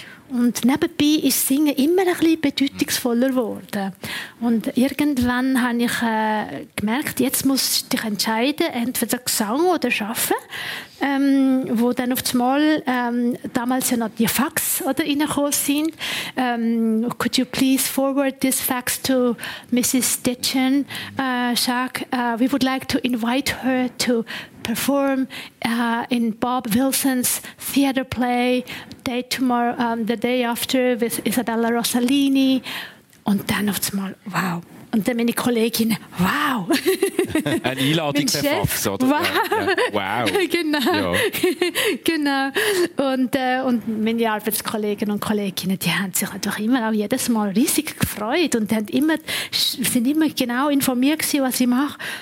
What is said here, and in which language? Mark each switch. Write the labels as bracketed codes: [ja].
[de] Und nebenbei ist Singen immer ein bisschen bedeutungsvoller geworden. Und irgendwann habe ich gemerkt, jetzt muss ich dich entscheiden, entweder Gesang oder Arbeiten. Wo dann auf einmal damals ja noch die Fax reingekommen sind. [en] Could you please forward this fax to Mrs. Detchen? We would like to invite her to perform in Bob Wilson's theater play day tomorrow, the day after with Isabella Rossellini. [de] Und dann auf einmal, wow. Und dann meine Kollegin, wow. Eine Einladung per Fax, oder? Wow. Ja. Wow. Genau. Ja. Genau. Und meine Arbeitskollegen und Kolleginnen, die haben sich natürlich immer auch jedes Mal riesig gefreut und sind immer genau informiert gewesen, was ich mache.